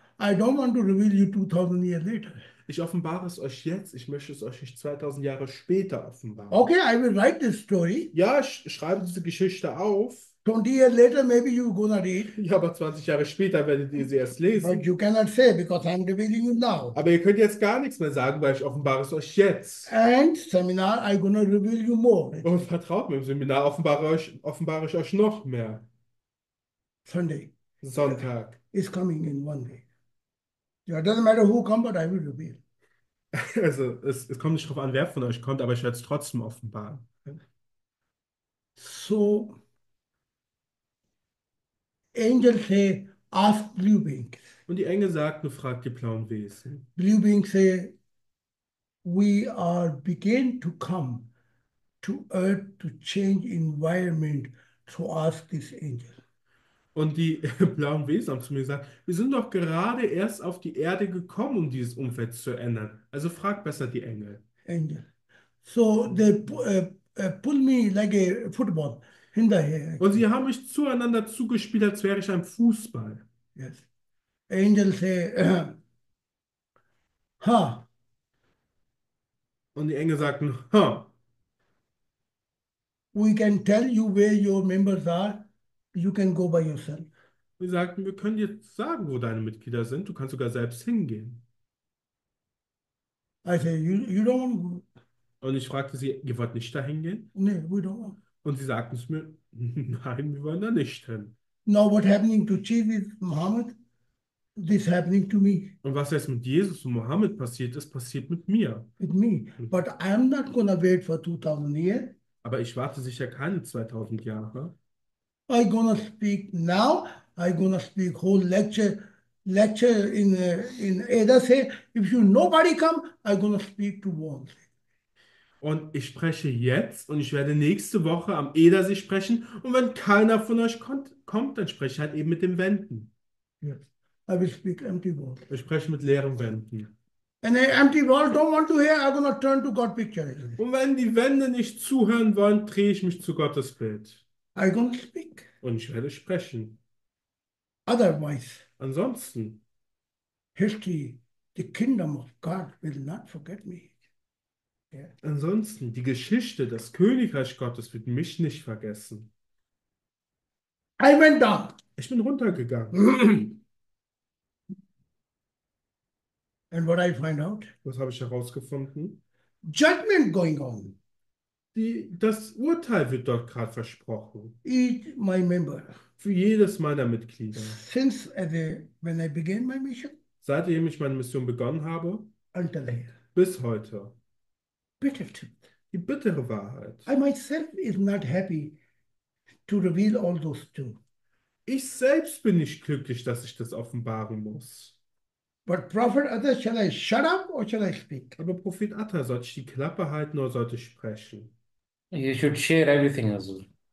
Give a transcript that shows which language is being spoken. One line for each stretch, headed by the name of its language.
English: I don't want to reveal you 2000 years later.
German: Ich offenbare es euch jetzt, ich möchte es euch nicht 2000 Jahre später offenbaren.
English: Okay, I will write this story.
German: Ja, ich schreibe diese Geschichte auf.
English: 20 years later, maybe you're gonna read.
German: Ja, aber 20 Jahre später werdet ihr sie erst
English: But you
German: lesen.
English: cannot say because I'm revealing you now.
German: Aber ihr könnt jetzt gar nichts mehr sagen, weil ich offenbare es euch jetzt.
English: And seminar, I'm gonna reveal you more,
German: Und
English: actually.
German: vertraut mir, im Seminar offenbare ich euch noch mehr.
English: Sunday
German: Sonntag.
English: is coming in one day. Yeah, it doesn't matter who come, but I will reveal.
German: Also, es kommt nicht darauf an, wer von euch kommt, aber ich werde es trotzdem offenbaren.
English: So, angels say, ask blue beings.
German: Und die Engel sagten, fragt die blauen Wesen.
English: Blue beings say, we are begin to come to earth to change environment to ask this angel.
German: Und die blauen Wesen haben zu mir gesagt, wir sind doch gerade erst auf die Erde gekommen, um dieses Umfeld zu ändern. Also frag besser die Engel.
English: Angel. So they pull me like a football
German: hinterher, Und sie
English: actually.
German: haben mich zueinander zugespielt, als wäre ich ein Fußball.
English: Yes. Angel say, ha.
German: Und die Engel sagten, ha.
English: We can tell you where your members are. You can go by yourself.
German: Wir sagten, wir können dir sagen, wo deine Mitglieder sind. Du kannst sogar selbst hingehen.
English: I say, you don't want.
German: Und ich fragte sie, ihr wollt nicht dahin gehen?
English: Nee, we don't want.
German: Und sie sagten es mir, nein, wir wollen da nicht hin.
English: Now what happening to Jesus, Muhammad? This happening to me.
German: Und was jetzt mit Jesus und Mohammed passiert ist, passiert mit mir.
English: With me. But I am not gonna wait for 2000 years.
German: Aber ich warte sicher keine 2000 Jahre.
English: I gonna speak now. I gonna speak whole lecture lecture in Eda say, if you nobody come, I'm gonna speak to one.
German: Und ich spreche jetzt und ich werde nächste Woche am Edersee sprechen. Und wenn keiner von euch kommt, dann spreche ich halt eben mit den Wänden.
English: Yes, I will speak empty words.
German: Ich spreche mit leeren Wänden.
English: And the empty wall don't want to hear, I'm gonna turn to God picture.
German: Und wenn die Wände nicht zuhören wollen, drehe ich mich zu Gottes Bild.
English: I'm gonna speak.
German: Und ich werde sprechen.
English: Otherwise,
German: Ansonsten.
English: history, the kingdom of God will not forget me. Yeah.
German: Ansonsten, die Geschichte, das Königreich Gottes wird mich nicht vergessen.
English: I went down.
German: Ich bin runtergegangen.
English: And what I find out?
German: Was habe ich herausgefunden?
English: Judgment going on.
German: Das Urteil wird dort gerade versprochen.
English: Each my member.
German: Für jedes meiner Mitglieder.
English: Since when I began my mission
German: Seitdem ich meine Mission begonnen habe,
English: until here.
German: bis heute.
English: Bitter truth.
German: Die bittere
English: I
German: Wahrheit.
English: myself is not happy to reveal all those two.
German: Ich selbst bin nicht glücklich, dass ich das offenbaren muss.
English: But prophet other shall I shut up or shall I speak?
German: Aber Prophet Atta, sollte ich die Klappe halten oder sollte ich sprechen?
English: You should share everything as well.